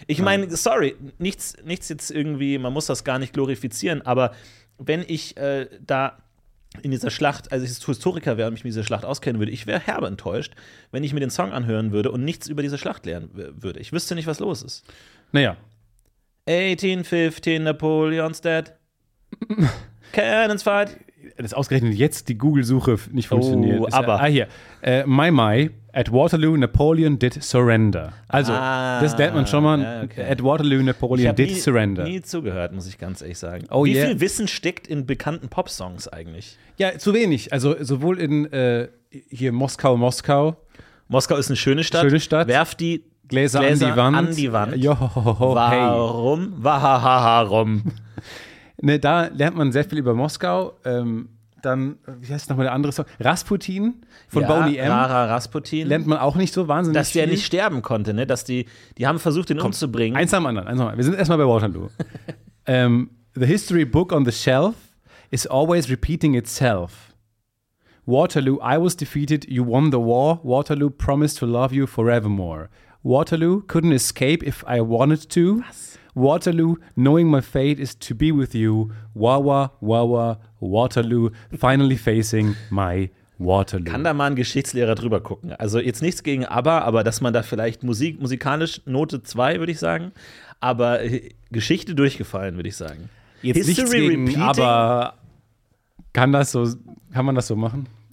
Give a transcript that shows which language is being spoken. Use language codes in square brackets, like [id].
[de] Ich meine, sorry, nichts jetzt irgendwie, man muss das gar nicht glorifizieren, aber wenn ich da in dieser Schlacht, als ich Historiker wäre und mich mit dieser Schlacht auskennen würde, ich wäre herbe enttäuscht, wenn ich mir den Song anhören würde und nichts über diese Schlacht lernen würde. Ich wüsste nicht, was los ist. Naja. [en] 1815, Napoleon's dead. Cannons fight. [de] Das ausgerechnet jetzt die Google-Suche nicht funktioniert. Oh, aber. Ja, hier. [en] My, at Waterloo, Napoleon did surrender. [de] Also, das lernt man schon mal. Okay. [en] At Waterloo, Napoleon did surrender. [de] Ich habe nie zugehört, muss ich ganz ehrlich sagen. Oh, wie [en] yeah. [de] viel Wissen steckt in bekannten Popsongs eigentlich? Ja, zu wenig. Also, sowohl in hier Moskau. Moskau ist eine schöne Stadt. Schöne Stadt. Werf die Gläser an die Wand. An die Wand. Jo, hey. Warum? Warum? Ne, da lernt man sehr viel über Moskau. Dann, wie heißt nochmal der andere Song? Rasputin von Boney M. Rara Rasputin. Lernt man auch nicht so wahnsinnig dass viel. Dass der nicht sterben konnte, ne? Dass die haben versucht, den umzubringen. Eins am anderen. Wir sind erstmal bei Waterloo. [en] The history book on the shelf is always repeating itself. Waterloo, I was defeated. You won the war. Waterloo promised to love you forevermore. Waterloo couldn't escape if I wanted to. Was? Waterloo, knowing my fate is to be with you. Wawa, wawa, Waterloo, finally facing my Waterloo. [de] Kann da mal ein Geschichtslehrer drüber gucken? Also jetzt nichts gegen ABBA, aber dass man da vielleicht musikalisch Note 2, würde ich sagen. Aber Geschichte durchgefallen, würde ich sagen. Jetzt History nichts gegen repeating? ABBA, kann man das so machen?